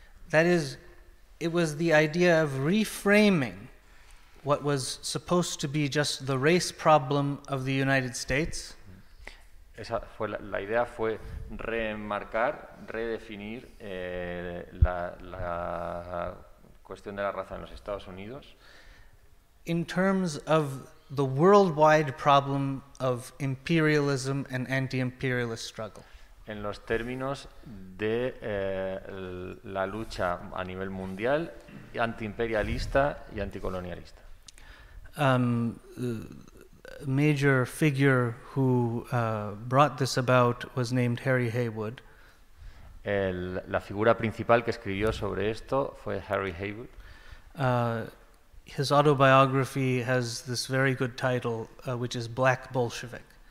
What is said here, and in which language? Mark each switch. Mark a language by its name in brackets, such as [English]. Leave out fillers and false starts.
[English] That is, it was the idea of reframing what was supposed to be just the race problem of the United States. [Spanish] Esa fue la idea fue reenmarcar, redefinir la cuestión de la raza en los Estados Unidos. [English] In terms of the worldwide problem of imperialism and anti-imperialist struggle. [Spanish] En los términos de la lucha a nivel mundial antiimperialista y anticolonialista. [English] A major figure who brought this about was named Harry Haywood. [Spanish] La figura principal que escribió sobre esto fue Harry Haywood. [English] His autobiography has this very good title, which is Black Bolshevik.